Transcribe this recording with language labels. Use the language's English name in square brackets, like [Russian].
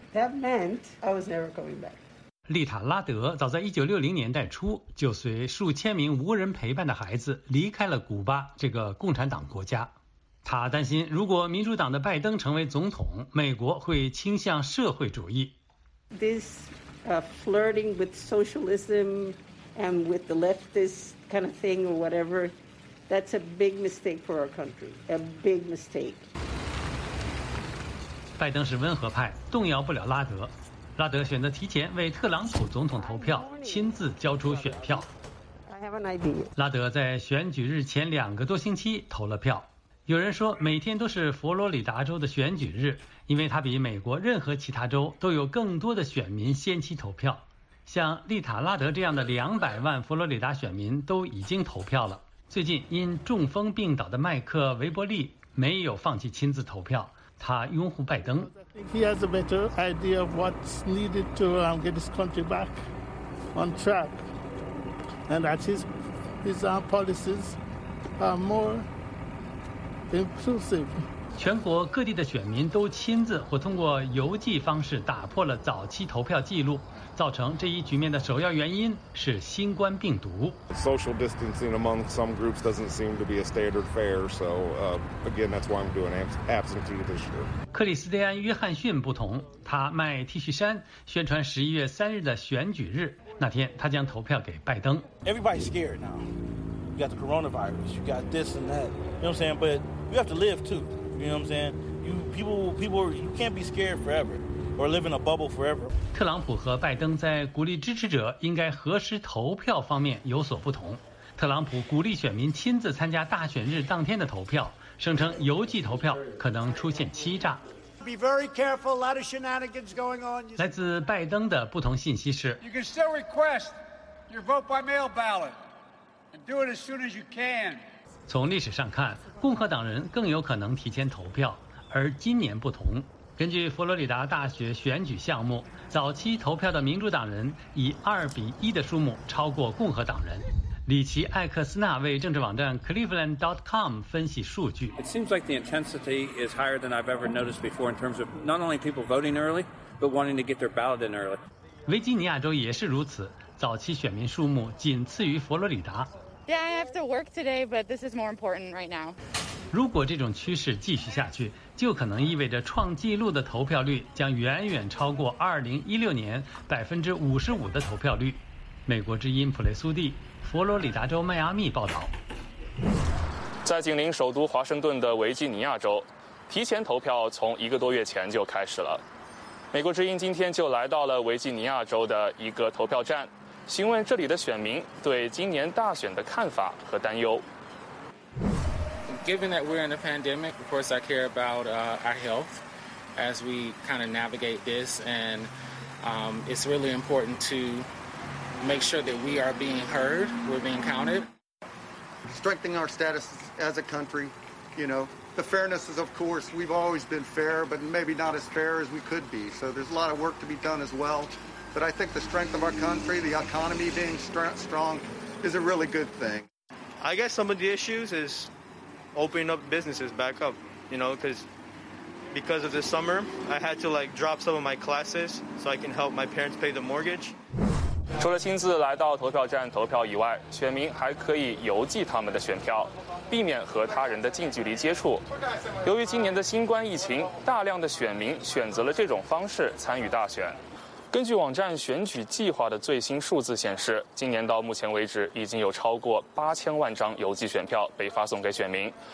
[English] That meant I was never coming back. [Chinese] 丽塔·拉德早在1960年代初就随数千名无人陪伴的孩子离开了古巴这个共产党国家。他担心如果民主党的拜登成为总统，美国会倾向社会主义。 [English] This flirting with socialism and with the leftist kind of thing or whatever, that's a big mistake for our country, a big mistake. [Chinese] 拜登是温和派，动摇不了拉德。拉德选择提前为特朗普总统投票，亲自交出选票。拉德在选举日前2个多星期投了票。有人说每天都是佛罗里达州的选举日，因为他比美国任何其他州都有更多的选民先期投票。像丽塔·拉德这样的200万佛罗里达选民都已经投票了。最近因中风病倒的麦克·维伯利没有放弃亲自投票，他拥护拜登。 [English] He has a better idea of what's needed to get his country back on track, and that his policies are more inclusive. [Chinese] 全国各地的选民都亲自或通过邮寄方式打破了早期投票记录，造成这一局面的首要原因是新冠病毒。 [English] Social distancing among some groups doesn't seem to be a standard fare, so again, that's why I'm doing absentee this year. [Chinese] 克里斯蒂安·约翰逊不同，他卖 T 恤衫宣传11月3日的选举日，那天他将投票给拜登。 [English] Everybody's scared now. You got the coronavirus, you got this and that. You know what I'm saying? But you have to live too. You know what I'm saying? You can't be scared forever. Or live in a bubble forever. [Chinese] 特朗普和拜登在鼓励支持者应该何时投票方面有所不同。特朗普鼓励选民亲自参加大选日当天的投票，声称邮寄投票可能出现欺诈。 [English] Be very careful, a lot of shenanigans going on. [Chinese] 来自拜登的不同信息是 [English] You can still request your vote by mail ballot and do it as soon as you can. [Chinese] 从历史上看，共和党人更有可能提前投票，而今年不同。根据佛罗里达大学选举项目，早期投票的民主党人以2:1的数目超过共和党人。里奇·艾克斯纳为政治网站 cleveland.com 分析数据。 [English] It seems like the intensity is higher than I've ever noticed before in terms of not only people voting early, but wanting to get their ballot in early. [Chinese] 维吉尼亚州也是如此，早期选民数目仅次于佛罗里达。 [English] Yeah, I have to work today, but this is more important right now. [Chinese] 如果这种趋势继续下去，就可能意味着创纪录的投票率将远远超过2016年55%的投票率。美国之音普雷苏蒂，佛罗里达州迈阿密报道。在紧邻首都华盛顿的维吉尼亚州，提前投票从1个多月前就开始了。美国之音今天就来到了维吉尼亚州的一个投票站，询问这里的选民对今年大选的看法和担忧。 [English] Given that we're in a pandemic, of course, I care about our health as we kind of navigate this. And it's really important to make sure that we are being heard, we're being counted. Strengthening our status as a country, you know, the fairness is, of course, we've always been fair, but maybe not as fair as we could be. So there's a lot of work to be done as well. But I think the strength of our country, the economy being strong, is a really good thing. I guess some of the issues is opening up businesses back up, you know, because of the summer, I had to like drop some of my classes so I can help my parents pay the mortgage. [Chinese] 除了亲自来到投票站投票以外，选民还可以邮寄他们的选票，避免和他人的近距离接触。由于今年的新冠疫情，大量的选民选择了这种方式参与大选。根据网站选举计划的最新数字显示，今年到目前为止已经有超过8000万张邮寄选票被发送给选民。